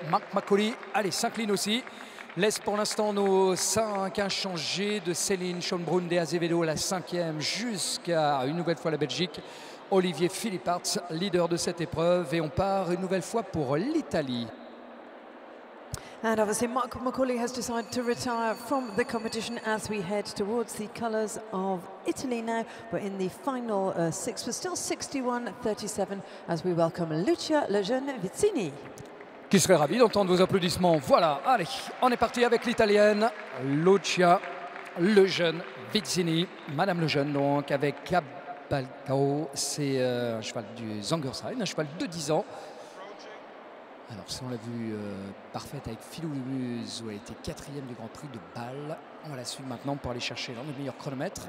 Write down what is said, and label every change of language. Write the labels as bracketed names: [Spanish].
[French] Mark McCauley, allez, s'incline aussi. Laisse pour l'instant nos 5 inchangés de Céline Schönbrunn de Azevedo, la 5e, jusqu'à une nouvelle fois la Belgique. Olivier Philippartz, leader de cette épreuve. Et on part une nouvelle fois pour l'Italie. [English] And obviously Mark McCauley has decided to retire from the competition as we head towards the colours of Italy now. We're in the final six, we're still 61-37 as we welcome Lucia Lejeune-Vizzini. [French] Qui serait ravi d'entendre vos applaudissements. Voilà, allez, on est parti avec l'Italienne, Lucia Lejeune-Vizzini. Madame Lejeune donc, avec Cabalcao, c'est un cheval du Zangersheim, un cheval de 10 ans. Alors, si on l'a vu parfaite avec Philoulouz, où elle était quatrième du Grand Prix de Bâle, on la suit maintenant pour aller chercher l'un des meilleurs chronomètres.